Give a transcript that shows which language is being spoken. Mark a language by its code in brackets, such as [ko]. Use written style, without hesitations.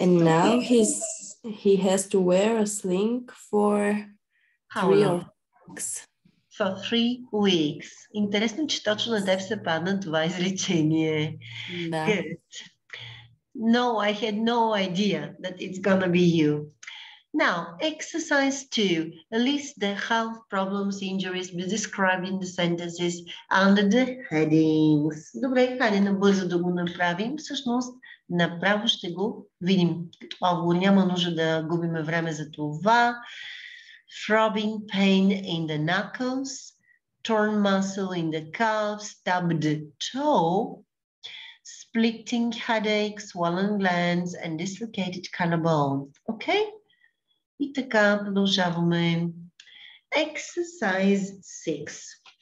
[en] And now he has to wear a sling for For 3 weeks. [bg] Интересно, че точно на теб се падна това изречение. Да. [en] Good. No, I had no idea that it's gonna be you. Now, exercise 2. List the health problems, injuries, be describing the sentences under the headings. [bg] Добре, хайде набързо да го направим. Всъщност, направо ще го видим. Много няма нужда да губим време за това. [en] Throbbing pain in the knuckles, torn muscle in the calf, stubbed toe, splitting headache, swollen glands, and dislocated collarbone. Okay? [bg] И така продължаваме. [en] Exercise 6.